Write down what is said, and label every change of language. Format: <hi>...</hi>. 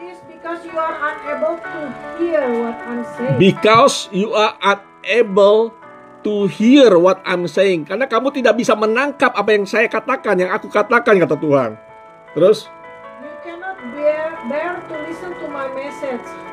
<en>is because you are unable to hear what I'm saying. Able to hear what I'm saying.</en> <id>Karena kamu tidak bisa menangkap apa yang saya katakan, yang aku katakan, kata Tuhan. Terus?</id> <en>You cannot bear to listen to my message.</en>